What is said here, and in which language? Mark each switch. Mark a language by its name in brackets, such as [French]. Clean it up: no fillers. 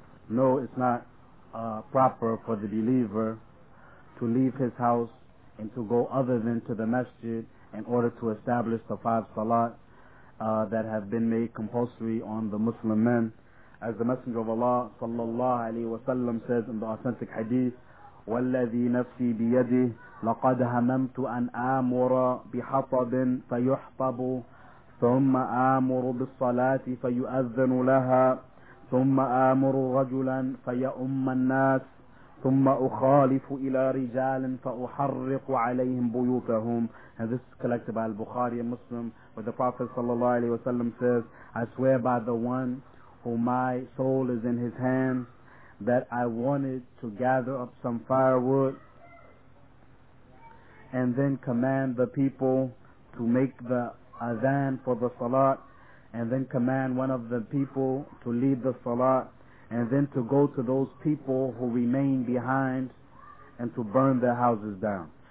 [English] No, it's not proper for the believer to leave his house and to go other than to the masjid in order to establish the five salat that have been made compulsory on the Muslim men. As the Messenger of Allah sallallahu alayhi wa sallam says in the authentic hadith, [Arabic] وَالَّذِي نَفْسِي بِيَدِهِ لَقَدْ هَمَمْتُ أَنْ آمُرَ بِحَطَبٍ فَيُحْطَبُ ثُمَّ آمُرُ بِالصَّلَاةِ فَيُؤَذَّنُ لَهَا ثُمَّ آمُرُ رَجُلًا فَيَأُمَّ النَّاسِ ثم أخالف إلى رجال فأحرق عليهم بيوتهم. [English] And this is collected by Al-Bukhari and Muslim, where the Prophet sallallahu alaihi wasallam says, I swear by the one whom my soul is in his hands that I wanted to gather up some firewood and then command the people to make the adhan for the salat, and then command one of the people to lead the salat, and then to go to those people who remain behind and to burn their houses down.